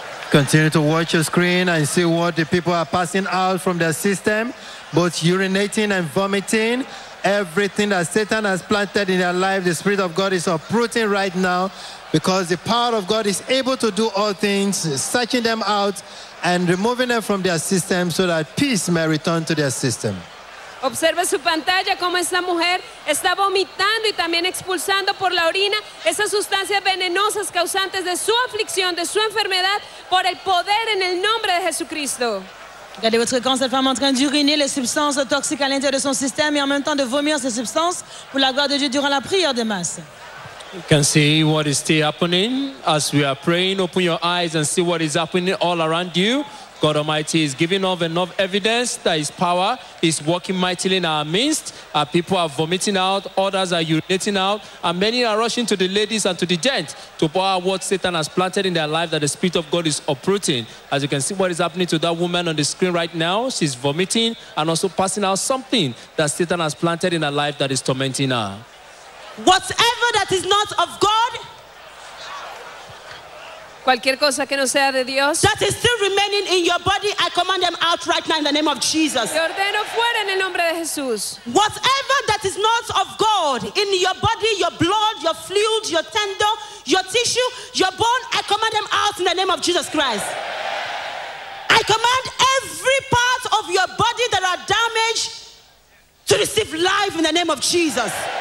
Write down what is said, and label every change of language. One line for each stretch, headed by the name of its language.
English: Continue to watch your screen and see what the people are passing out from their system, both urinating and vomiting. Everything that Satan has planted in their life, the Spirit of God is uprooting right now, because the power of God is able to do all things, searching them out and removing them from their system so that peace may return to their system.
Spanish: Observe su pantalla cómo esta mujer está vomitando y también expulsando por la orina esas sustancias venenosas causantes de su aflicción, de su enfermedad, por el poder en el nombre de Jesucristo.
French: Regardez votre corps, cette femme en train d'uriner les substances toxiques à l'intérieur de son système et en même temps de vomir ces substances pour la gloire de Dieu durant la prière de masse.
English: You can see what is still happening as we are praying. Open your eyes and see what is happening all around you. God Almighty is giving off enough evidence that His power is working mightily in our midst. Our people are vomiting out, others are urinating out, and many are rushing to the ladies and to the gents to pour out what Satan has planted in their life that the Spirit of God is uprooting. As you can see what is happening to that woman on the screen right now, she's vomiting and also passing out something that Satan has planted in her life that is tormenting her. Whatever that is not of God,
Spanish: cualquier cosa que no sea de Dios,
English: that is still remaining in your body, I command them out right now in the name of Jesus.
Spanish: Yo ordeno fuera en el nombre de Jesús.
English: Whatever that is not of God in your body, your blood, your fluid, your tendon, your tissue, your bone, I command them out in the name of Jesus Christ. I command every part of your body that are damaged to receive life in the name of Jesus.